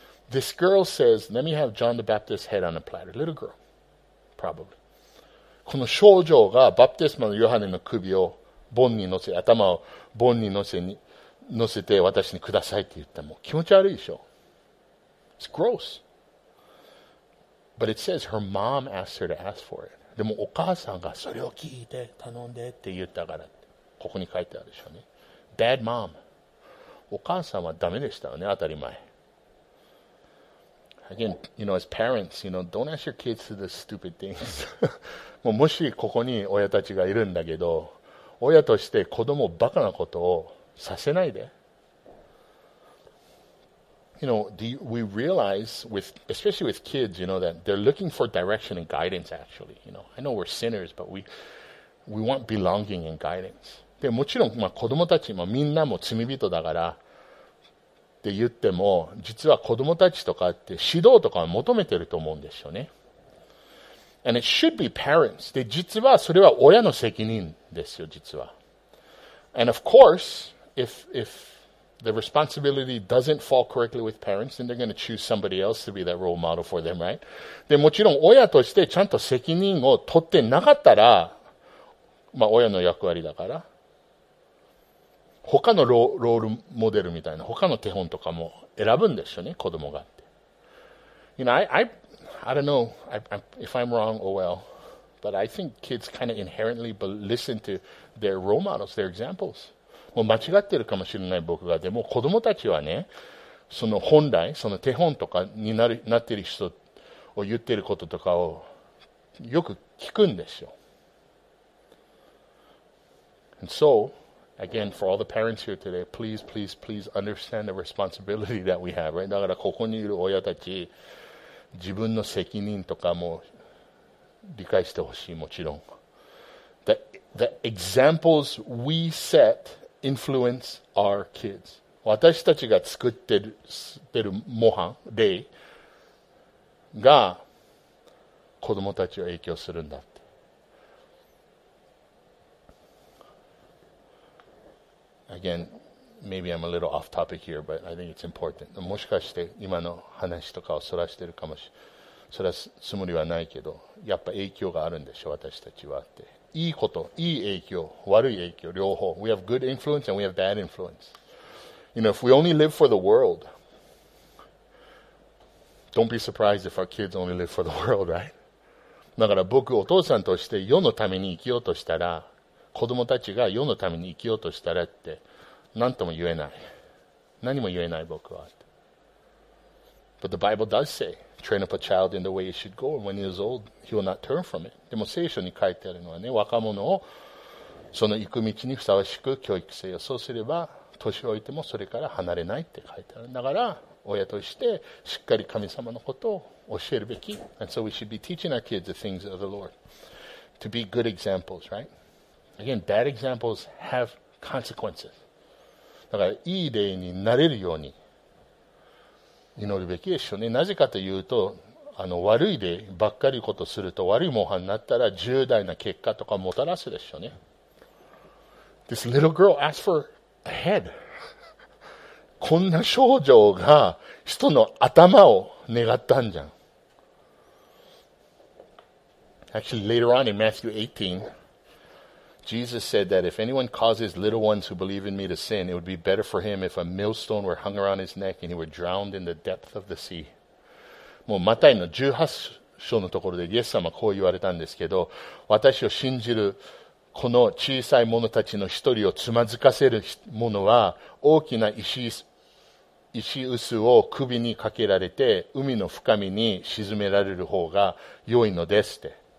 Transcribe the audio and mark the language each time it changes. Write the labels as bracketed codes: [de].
[en] This girl says, let me have John the Baptist's head on a platter. Little girl. Probably. [ja] この少女がバプテスマのヨハネの首をボンに乗せ、頭をボンに乗せに、乗せて私にくださいって言ったらもう気持ち悪いでしょ。 [en] It's gross. But it says her mom asked her to ask for it. [ja] でもお母さんがそれを聞いて頼んでって言ったからここに書いてあるでしょうね。 [en] Bad mom. [ja] お母さんはダメでしたよね、当たり前。 [en] Again, you know, as parents, you know, don't ask your kids to do stupid things. [ja] もうもしここに親たちがいるんだけど、親として子供をバカなことをさせないで。 [en] You know, we realize with, especially with kids, you know, that they're looking for direction and guidance actually. You know, I know we're sinners, but we want belonging and guidance. [ja] で、もちろん、まあ、子供たちもみんなも罪人だからって言っても、実は子供たちとかって指導とかは求めてると思うんですよね。 [en] And it should be parents. [ja] で、実はそれは親の責任ですよ、実は。 [en] And of course, if the responsibility doesn't fall correctly with parents, then they're going to choose somebody else to be that role model for them, right? [ja] で、もちろん親としてちゃんと責任を取ってなかったら、まあ親の役割だから、他のロールモデルみたいな他の手本とかも選ぶんですよね、子供がって。 [en] You know, I don't know if I'm wrong or well, but I think kids kind of inherently listen to their role models, their examples. [ja] もう間違ってるかもしれない僕が、でも子供たちはね、その本来、その手本とかに なってる人を言ってることとかをよく聞くんですよ。 [en] And so,Again, for all the parents here today, please, please, please understand the responsibility that we have, right? [ja] だからここにいる親たち、自分の責任とかも理解してほしい、もちろん。 [en] The examples we set influence our kids. [ja] 私たちが作ってる模範、例が子供たちを影響するんだ。 [en] Again, maybe I'm a little off topic here, but I think it's important. [ja] もしかして今の話とかをそらしてるかもし、そらすつもりはないけど、やっぱ影響があるんでしょ、私たちはって。いいこと、いい影響、悪い影響、両方。 [en] We have good influence and we have bad influence. You know, if we only live for the world, don't be surprised if our kids only live for the world, right? [ja] だから僕、お父さんとして世のために生きようとしたら、子供たちが世のために生きようとしたらって何とも言えない。何も言えない僕は。 [en] But the Bible does say, train up a child in the way he should go, and when he is old, he will not turn from it. [ja] でも聖書に書いてあるのはね、若者をその行く道にふさわしく教育せよ。そうすれば、年老いてもそれから離れないって書いてある。だから、親としてしっかり神様のことを教えるべき。 [en] And so we should be teaching our kids the things of the Lord to be good examples, right? Again, bad examples have consequences. [ja] だから、いい例になれるように祈るべきでしょうね。なぜかというと、悪い例ばっかりことすると、悪い模範になったら、重大な結果とかもたらすでしょうね。 [en] This little girl asked for a head. [ja] こんな少女が人の頭を願ったんじゃん。 [en] Actually, later on in Matthew 18,Jesus said that if anyone causes little ones who believe in me to sin, it would be better for him if a millstone were hung around his neck and he were drowned in the depth of the sea. [ja] もうマタイの18章のところでイエス様はこう言われたんですけど、私を信じるこの小さい者たちの一人をつまずかせる者は大きな石臼を首にかけられて海の深みに沈められる方が良いのですって。